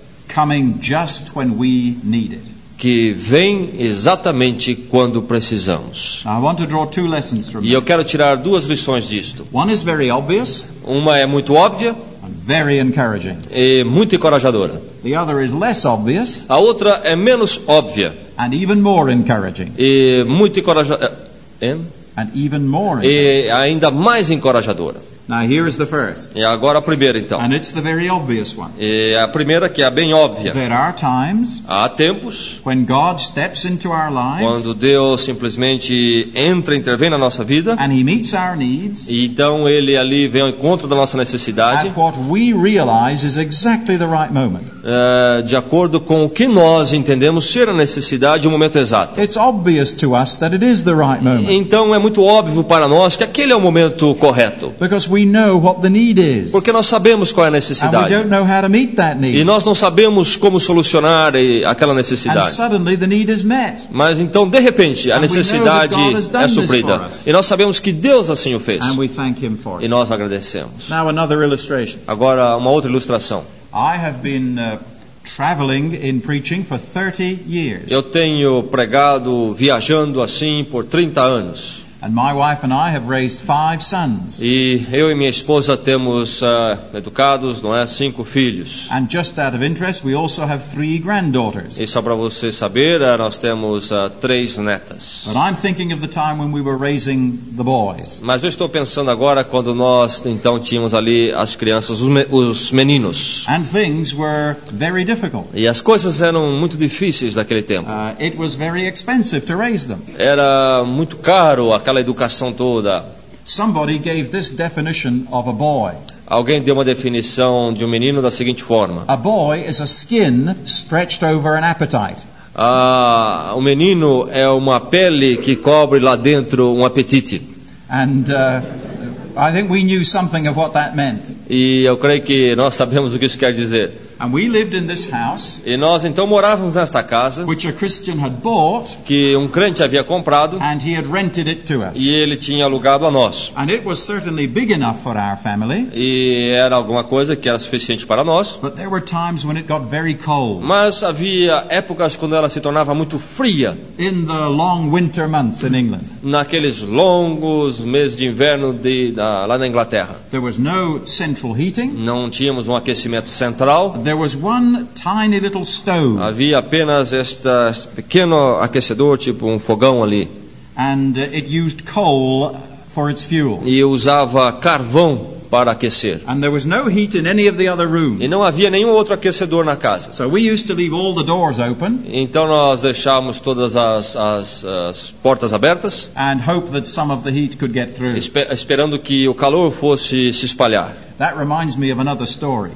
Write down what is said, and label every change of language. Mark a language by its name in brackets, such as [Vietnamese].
[English] Coming just when we need it. [Portuguese] Que vem exatamente quando precisamos. [English] I want to draw two lessons from. [Portuguese] E eu quero tirar duas lições disto. [English] One is very obvious. [Portuguese] Uma é muito óbvia. [English] And very encouraging. [Portuguese] E muito encorajadora. [English] The other is less obvious. [Portuguese] A outra é menos óbvia. [English] And even more encouraging. [Portuguese] E muito [English] And even more encouraging. [Portuguese] E ainda mais encorajadora. [English] Now here is the first. [Portuguese] E agora a primeira então. [English] And it's the very obvious one. [Portuguese] E a primeira que é bem óbvia. [English] There are times. [Portuguese] Há tempos. [English] When God steps into our lives. [Portuguese] Quando Deus simplesmente entra, intervém na nossa vida. [English] And he meets our needs. [Portuguese] E então ele ali vem ao encontro da nossa necessidade. [English] At what we realize is exactly the right moment. [Portuguese] De acordo com o que nós entendemos ser a necessidade, o momento exato. [English] It's obvious to us that it is the right moment. [Portuguese] Então é muito óbvio para nós que aquele é o momento correto. [English] Because we we know what the need is. [Portuguese] Porque nós sabemos qual é a necessidade. [English] And we don't know how to meet that need. [Portuguese] E nós não sabemos como solucionar aquela necessidade. [English] And suddenly the need is met. [Portuguese] Mas então, de repente, a necessidade é suprida. E nós sabemos que Deus assim o fez. [English] And we thank him for it. [Portuguese] E nós agradecemos. [English] Now another illustration. [Portuguese] Agora, uma outra ilustração. [English] I have been traveling in preaching for 30 years. [Portuguese] Eu tenho pregado viajando assim por 30 anos. [English] And my wife and I have raised 5 sons. [Portuguese] E eu e minha esposa temos educados, não é, 5 filhos. [English] And just out of interest, we also have 3 granddaughters. [Portuguese] E só para você saber, nós temos 3 netas. [English] But I'm thinking of the time when we were raising the boys. [Portuguese] Mas eu estou pensando agora quando nós então tínhamos ali as crianças, os meninos. [English] And things were very difficult. [Portuguese] E as coisas eram muito difíceis naquele tempo. [English] It was very expensive to raise them. [Portuguese] Era muito caro aquela educação toda. [English] Somebody gave this definition of a boy. [Portuguese] Alguém deu uma definição de um menino da seguinte forma: [English] a boy is a skin stretched over an appetite. [Portuguese] O menino é uma pele que cobre lá dentro um apetite. [English] And I think we knew something of what that meant. [Portuguese] E eu creio que nós sabemos o que isso quer dizer. [English] And we lived in this house, [Portuguese] e nós então morávamos nesta casa, [English] which a Christian had bought, [Portuguese] que um crente havia comprado, [English] and he had rented it to us. [Portuguese] E ele tinha alugado a nós. [English] And it was certainly big enough for our family, [Portuguese] e era alguma coisa que era suficiente para nós. [English] But there were times when it got very cold. [Portuguese] Mas havia épocas quando ela se tornava muito fria. [English] In the long winter months in England. [Portuguese] Naqueles longos meses de inverno lá na Inglaterra. [English] There was no central heating. [Portuguese] Não tínhamos um aquecimento central. [English] There was one tiny little stove. [Portuguese] Havia apenas este pequeno aquecedor, tipo um fogão ali. [English] And it used coal for its fuel. [Portuguese] E usava carvão para aquecer. [English] And there was no heat in any of the other rooms. [Portuguese] E não havia nenhum outro aquecedor na casa. [English] So we used to leave all the doors open. [Portuguese] Então nós deixávamos todas as portas abertas. [English] And hope that some of the heat could get through. [Portuguese] Esperando que o calor fosse se espalhar. [English] That reminds me of another story.